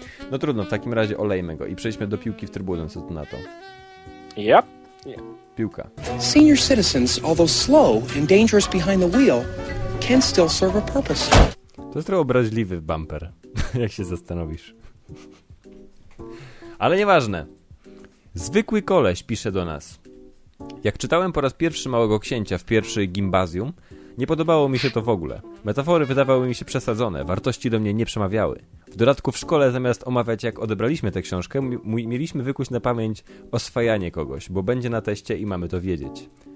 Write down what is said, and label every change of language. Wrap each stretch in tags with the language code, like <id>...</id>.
<pl>No trudno, w takim razie olejmy go i przejdźmy do piłki w trybunach, co tu na to.</pl> <en>Yep. Yeah.</en> <pl>Piłka.</pl> <en>Senior citizens, although slow and dangerous behind the wheel, can still serve a purpose.</en> <pl>To jest trochę obraźliwy bumper, jak się zastanowisz. Ale nieważne. Zwykły koleś pisze do nas. Jak czytałem po raz pierwszy Małego Księcia w pierwszej gimbazjum, nie podobało mi się to w ogóle. Metafory wydawały mi się przesadzone, wartości do mnie nie przemawiały. W dodatku w szkole zamiast omawiać, jak odebraliśmy tę książkę, mieliśmy wykuć na pamięć oswajanie kogoś, bo będzie na teście i mamy to wiedzieć.</pl>